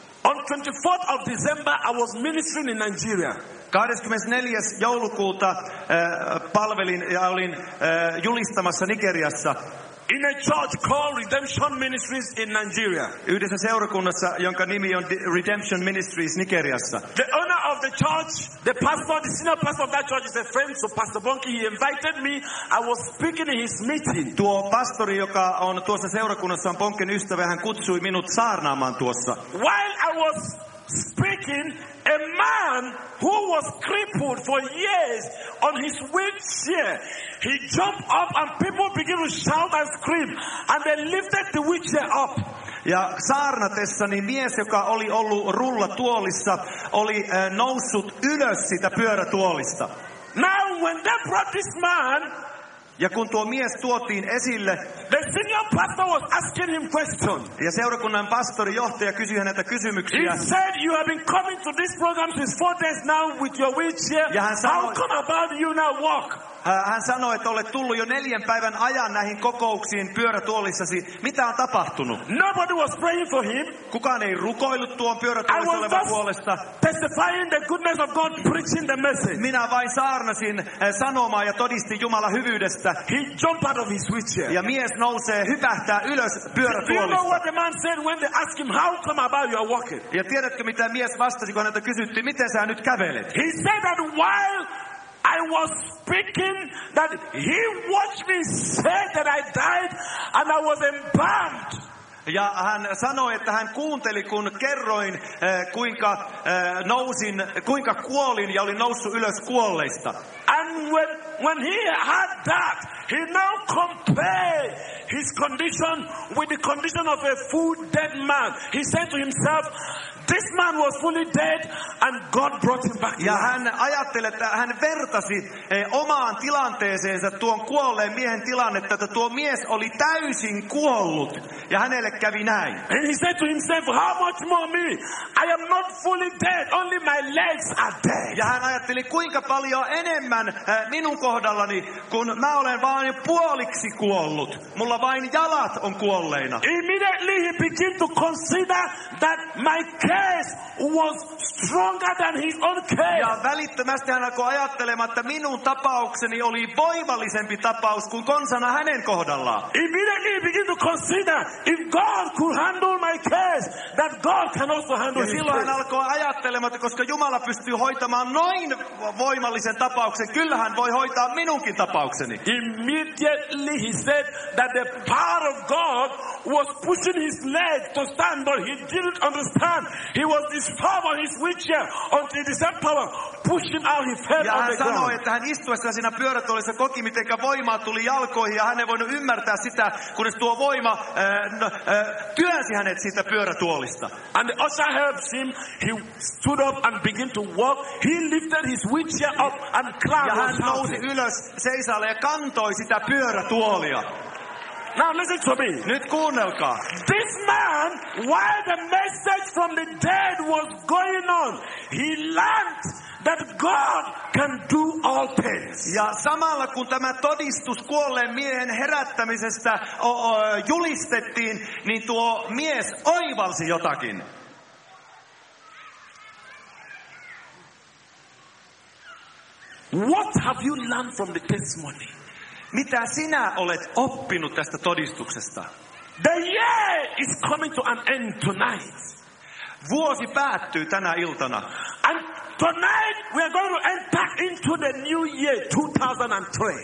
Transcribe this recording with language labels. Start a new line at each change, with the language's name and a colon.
English: On 24th of December, I was ministering in Nigeria.
Finnish: 24. joulukuuta palvelin ja olin julistamassa Nigeriassa.
English: In a church called Redemption Ministries in Nigeria.
Finnish: Yhdessä seurakunnassa, jonka nimi on Redemption Ministries Nigeriassa.
English: The owner of the church, the pastor, the senior pastor of that church is a friend, so Pastor Bonke, he invited me. I was speaking in his meeting.
Finnish: Tuo pastori, joka on tuossa seurakunnassa, on Bonken ystävä, hän kutsui minut saarnaamaan tuossa.
English: While I was speaking, a man who was crippled for years on his wheelchair, he jumped up and people began to shout and scream, and they lifted the wheelchair up.
Finnish: Ja saarnatessani mies, joka oli ollut rullatuolissa, oli noussut ylös sitä pyörätuolista.
English: Now when they brought this man,
Finnish: ja kun tuo mies tuotiin esille,
English: the senior pastor was asking him questions.
Finnish: Ja seurakunnan pastori johtaja kysyi häneltä kysymyksiä.
English: He said, "You have been coming to this program since 4 days now with your wheelchair.
Finnish: Ja hän sanoi,
English: how come about you now walk?"
Finnish: Hän sanoi, että olet tullut jo 4 päivän ajan näihin kokouksiin pyörätuolissasi. Mitä on tapahtunut?
English: Nobody was praying for him.
Finnish: Kukaan ei rukoillut tuon pyörätuolissa puolesta.
English: Testifying the goodness of God, preaching the message.
Finnish: Minä vain saarnasin sanomaa ja todistin Jumalan hyvyydestä.
English: He jumped out of his wheelchair.
Finnish: Ja mies nousee, hypähtää ylös pyörätuolista.
English: Do you know what the man said when they asked him, how come about you are walking?
Finnish: Ja tiedätkö, mitä mies vastasi, kun häntä kysyttiin, miten sä nyt kävelet?
English: He said that while I was speaking, that he watched me say that I died and I was embalmed.
Finnish: Ja hän sanoi, että hän kuunteli, kun kerroin, kuinka nousin, kuinka kuolin ja olin noussut ylös kuolleista.
English: And when he had that, he now compared his condition with the condition of a full dead man. He said to himself, this man was fully dead and God brought him back.
Finnish: Ja hän ajatteli, että hän vertasi omaan tilanteeseensa tuon kuolleen miehen tilannetta, että tuo mies oli täysin kuollut ja hänelle kävi näin.
English: And he said to himself, how much more me? I am not fully dead, only my legs are dead.
Finnish: Ja hän ajatteli, kuinka paljon enemmän minun kohdallani, kun mä olen vain puoliksi kuollut. Mulla vain jalat on kuolleina.
English: Immediately he began to consider that my case was stronger than his own case.
Finnish: Ja välittömästi hän alkoi ajattelemaan, että minun tapaukseni oli voimallisempi tapaus kuin konsana hänen kohdallaan.
English: Immediately he began to consider, if God could handle my case, that God can also handle his case.
Finnish: Ja silloin hän alkoi ajattelemaan, että koska Jumala pystyy hoitamaan noin voimallisen tapauksen, kyllähän voi hoitaa minunkin tapaukseni.
English: Immediately he said that the power of God was pushing his leg to stand, but he didn't understand. He was disturbed on his wheelchair until the same power pushing out his head
Finnish: ja
English: on the ground.
Finnish: Ja hän sanoi, että hän istuessa siinä pyörätuolissa koki, mitenkä voimaa tuli jalkoihin, ja hän ei voinut ymmärtää sitä, kunnes tuo voima työnsi hänet siitä pyörätuolista.
English: And the usher helped him. He stood up and began to walk. He lifted his wheelchair up and climbed.
Finnish: Ja hän nousi ylös seisaalle ja kantoi sitä pyörätuolia.
English: Now listen to me.
Finnish: Nyt kuunnelkaa.
English: This man, while the message from the dead was going on, he learned that God can do all things.
Finnish: Ja samalla kun tämä todistus kuolleen miehen herättämisestä julistettiin, niin tuo mies oivalsi jotakin.
English: What have you learned from the testimony?
Finnish: Mitä sinä olet oppinut tästä todistuksesta?
English: The year is coming to an end tonight.
Finnish: Vuosi päättyy tänä iltana.
English: And tonight we are going to enter into the new year 2003.